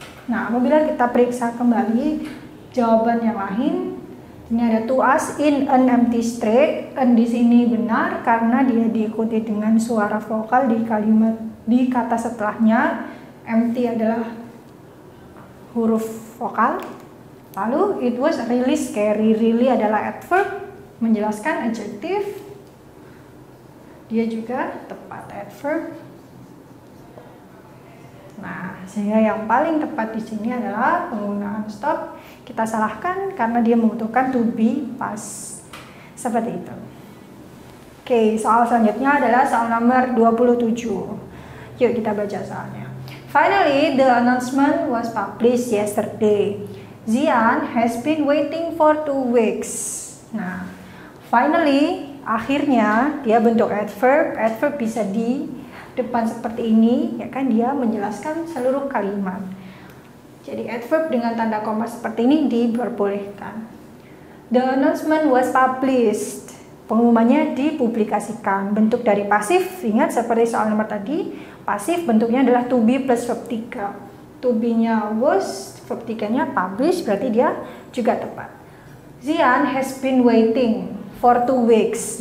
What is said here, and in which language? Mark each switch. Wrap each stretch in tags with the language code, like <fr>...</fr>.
<id>Nah, apabila kita periksa kembali jawaban yang lain, ini ada</id> <en>to us in an empty street,</en> <id>and di sini benar karena dia diikuti dengan suara vokal di kalimat, di kata setelahnya, empty adalah huruf vokal.</id> <en>Lalu, it was really scary.</en> <id>Really adalah adverb, menjelaskan adjective. Dia juga tepat adverb. Nah, sehingga yang paling tepat di sini adalah penggunaan stop. Kita salahkan karena dia membutuhkan to be pas. Seperti itu. Oke, soal selanjutnya adalah soal nomor 27. Yuk, kita baca soalnya.</id> <en>Finally, the announcement was published yesterday. Zian has been waiting for 2 weeks.</en> <id>Nah, finally, akhirnya dia bentuk adverb. Adverb bisa di depan seperti ini, ya kan? Dia menjelaskan seluruh kalimat. Jadi adverb dengan tanda koma seperti ini diperbolehkan.</id> <en>The announcement was published.</en> <id>Pengumumannya dipublikasikan. Bentuk dari pasif, ingat seperti soal nomor tadi, pasif bentuknya adalah to be plus verb 3. To be-nya was, verb 3-nya publish, berarti dia juga tepat.</id> <en>Zian has been waiting for 2 weeks.</en>